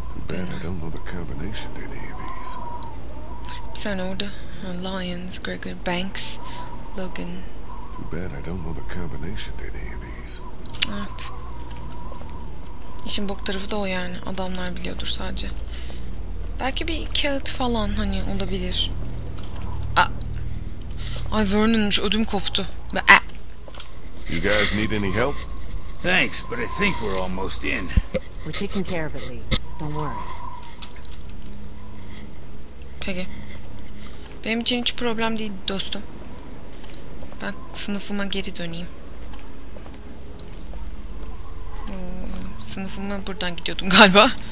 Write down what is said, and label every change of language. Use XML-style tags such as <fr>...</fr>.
<en>Ben I don't know the combination to any of these.</en> <tr>Sen orada. Lions, Gregor, Banks, Logan.</tr> <en>Too bad I don't know the combination to any of these.</en> <tr>Evet. İşin bok tarafı da o yani. Adamlar biliyordur sadece. Belki bir kağıt falan hani olabilir. Ay Vernon'muş, ödüm koptu.</tr> <en>You guys need any help? Thanks, but I think we're almost in. We're taking care of it, Lee. Don't worry.</en> <tr>Peki. Benim için hiç problem değil dostum. Ben sınıfıma geri döneyim. Sınıfıma buradan gidiyordum galiba.</tr>